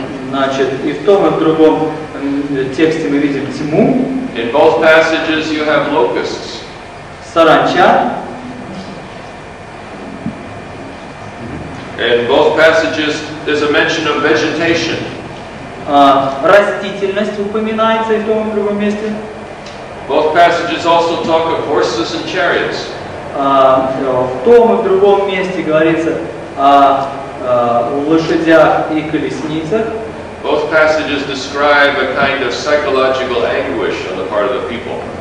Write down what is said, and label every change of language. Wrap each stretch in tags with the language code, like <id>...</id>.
<ru>Значит, и в том, и в другом тексте мы видим тьму.</ru> <en>In both passages you have locusts.</en> <ru>Саранча.</ru> <en>In both passages there's a mention of vegetation.</en> <ru>Растительность упоминается и в том, и в другом месте.</ru> <en>Both passages also talk of horses and chariots.</en> <ru>В том и в другом месте говорится о лошадях и колесницах.</ru> <en>Both passages describe a kind of psychological anguish on the part of the people.</en>